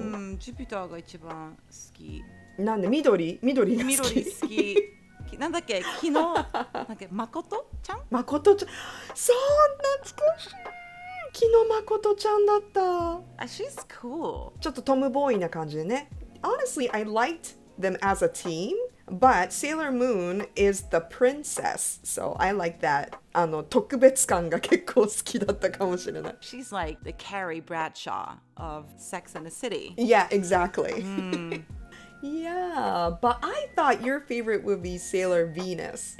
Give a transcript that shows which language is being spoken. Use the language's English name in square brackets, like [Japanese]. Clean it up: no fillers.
[Japanese] うん、ジュピターが一番好き。なんで？緑好き。なんだっけ、昨日なんだっけ、マコトちゃん？マコトちゃん、そう、懐かしい。昨日マコトちゃんだった。 [English] She's cool. [Japanese] ちょっとトムボーイな感じでね。 [English] Honestly, I liked them as a team, but Sailor Moon is the princess, so I like that. [Japanese] あの特別感が結構好きだったかもしれない。 [English] She's like the Carrie Bradshaw of Sex and the City. Yeah, exactly.、 Mm. Yeah, but I thought your favorite would be Sailor Venus.